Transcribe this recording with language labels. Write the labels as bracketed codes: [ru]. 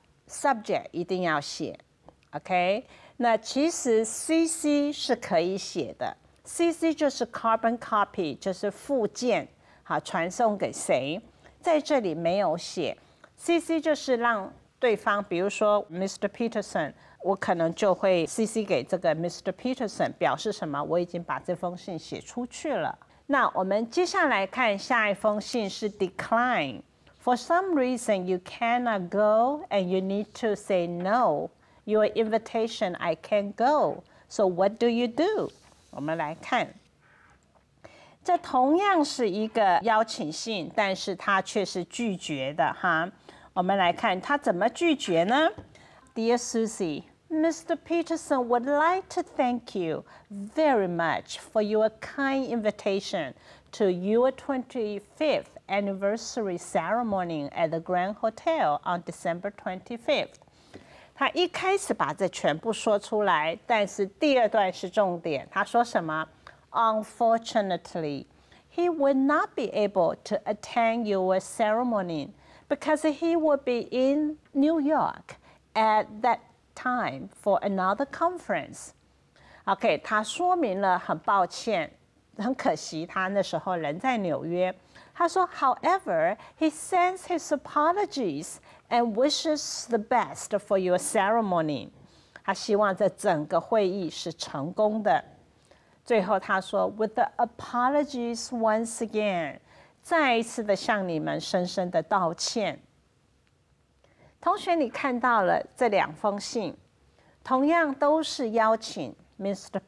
[zh] Subject 一定要写 ，OK？ 那其实 CC 是可以写的 ，CC 就是 carbon copy， 就是附件，好传送给谁？在这里没有写 ，CC 就是让对方，比如说 Mr. Peterson， 我可能就会 CC 给这个 Mr. Peterson， 表示什么？我已经把这封信写出去了。那我们接下来看下一封信是 decline。 [en] For some reason, you cannot go and you need to say no. Your invitation, I can't go. So what do you do? [zh] 我们来看。这同样是一个邀请信，但是他却是拒绝的哈。我们来看他怎么拒绝呢？ [en] Dear Susie, Mr. Peterson would like to thank you very much for your kind invitation to your 25th. Anniversary ceremony at the Grand Hotel on December 25th. [zh] 他一开始把这全部说出来，但是第二段是重点。他说什么 [en] ？Unfortunately, he will not be able to attend your ceremony because he will be in New York at that time for another conference. [zh] OK， 他说明了很抱歉，很可惜，他那时候人在纽约。他说 [en] ，However, he sends his apologies and wishes the best for your ceremony. [zh] 他希望这整个会议是成功的。最后他说 ， [en] With the apologies once again, [zh] 再一次的向你们深深的道歉。同学，你看到了这两封信，同样都是邀请 Mr.